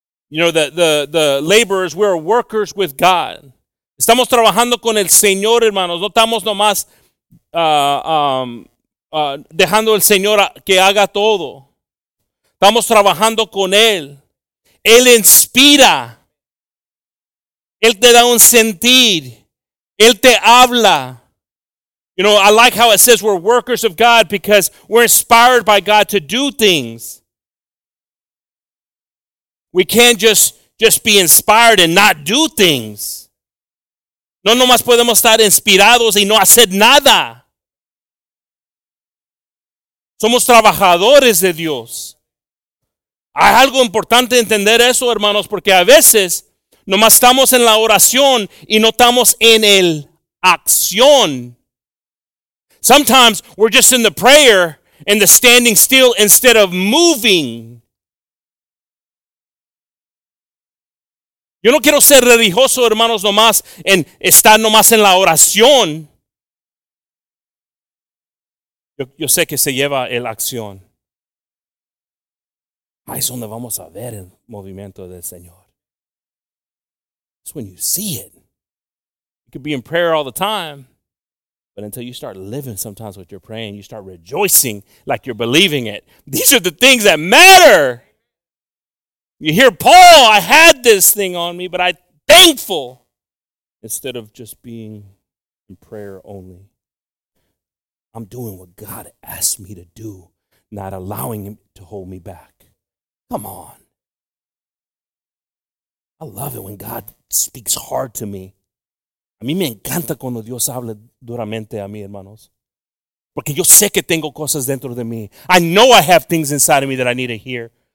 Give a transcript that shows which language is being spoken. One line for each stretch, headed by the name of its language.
English: You know, the laborers, we're workers with God.
Spanish: Estamos trabajando con el Señor, hermanos. No estamos nomás dejando el Señor que haga todo. Estamos trabajando con Él. Él inspira. Él te da un sentir. Él te habla.
English: You know, I like how it says we're workers of God because we're inspired by God to do things. We can't just be inspired and not do things.
Spanish: No nomás podemos estar inspirados y no hacer nada. Somos trabajadores de Dios. Hay algo importante entender eso, hermanos, porque a veces nomás estamos en la oración y no estamos en el acción. Sometimes we're just in the prayer and the standing still instead of moving. Yo no quiero ser religioso, hermanos, nomás en estar nomás en la oración. Yo sé que se lleva el acción. Ahí es donde vamos a ver el movimiento del Señor.
English: It's when you see it. You could be in prayer all the time, but until you start living sometimes what you're praying, you start rejoicing like you're believing it. These are the things that matter. You hear Paul, I had this thing on me, but I'm thankful. Instead of just being in prayer only. I'm doing what God asked me to do, not allowing Him to hold me back. Come on. I love it when God speaks hard to me.
Spanish: A mí me encanta cuando Dios habla duramente a mí, hermanos. Porque yo sé que tengo cosas dentro de mí.
English: I know I have things inside of me that I need to hear.